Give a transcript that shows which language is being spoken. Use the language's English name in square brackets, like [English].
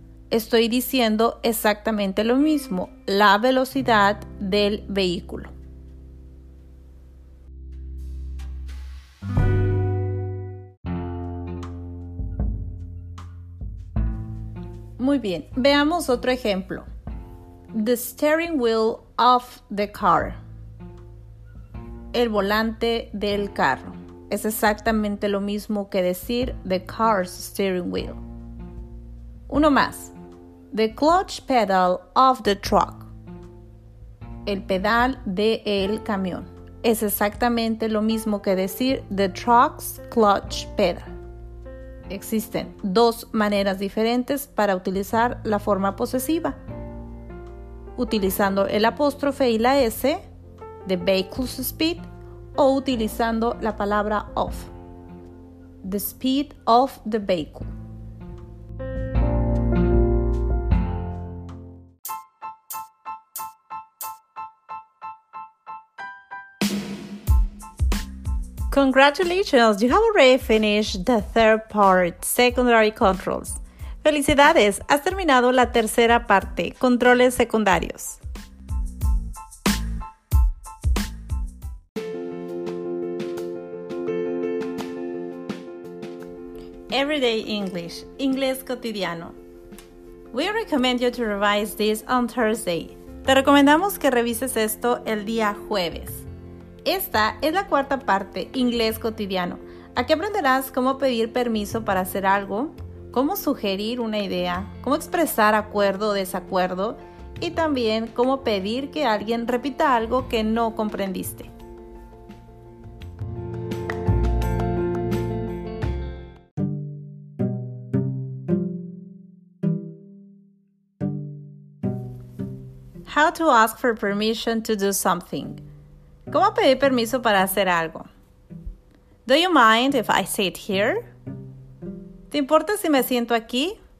[Spanish] Estoy diciendo exactamente lo mismo, la velocidad del vehículo. Muy bien, veamos otro ejemplo. [English] The steering wheel of the car. [Spanish] El volante del carro. Es exactamente lo mismo que decir [English] the car's steering wheel. [Spanish] Uno más. The clutch pedal of the truck. El pedal del camión. Es exactamente lo mismo que decir [English] the truck's clutch pedal. [Spanish] Existen dos maneras diferentes para utilizar la forma posesiva. Utilizando el apóstrofe y la S, [English] the vehicle's speed, [Spanish] o utilizando la palabra of, [English] the speed of the vehicle. Congratulations, you have already finished the third part, secondary controls. [Spanish] Felicidades, has terminado la tercera parte, controles secundarios. [English] Everyday English, [Spanish] inglés cotidiano. [English] We recommend you to revise this on Thursday. [Spanish] Te recomendamos que revises esto el día jueves. Esta es la cuarta parte, inglés cotidiano. Aquí aprenderás cómo pedir permiso para hacer algo, cómo sugerir una idea, cómo expresar acuerdo o desacuerdo y también cómo pedir que alguien repita algo que no comprendiste. [English] How to ask for permission to do something. [Spanish] ¿Cómo pedir permiso para hacer algo? [English] Do you mind if I sit here? [Spanish] ¿Te importa si me siento aquí?